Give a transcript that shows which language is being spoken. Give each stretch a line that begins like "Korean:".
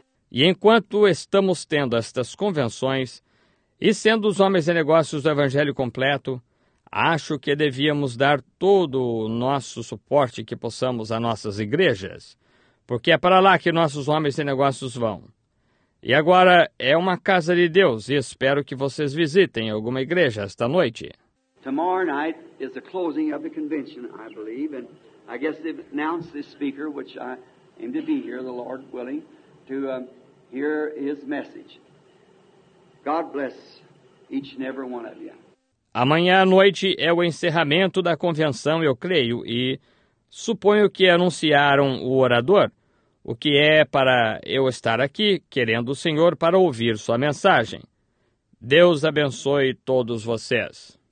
Portuguese: E enquanto estamos tendo estas convenções, e sendo os homens de negócios do Evangelho Completo, acho que devíamos dar todo o nosso suporte que possamos a nossas igrejas, porque é para lá que nossos homens de negócios vão. E agora é uma casa de Deus e espero que vocês visitem alguma igreja esta noite.
English: Tomorrow night is the closing of the convention, I believe, and I guess they've announced this speaker, which I aim to be here, the Lord willing, to hear his message. God bless each and every one of you.
Portuguese: Amanhã à noite é o encerramento da convenção, eu creio, e suponho que anunciaram o orador, o que é para eu estar aqui querendo o Senhor para ouvir sua mensagem. Deus abençoe todos vocês.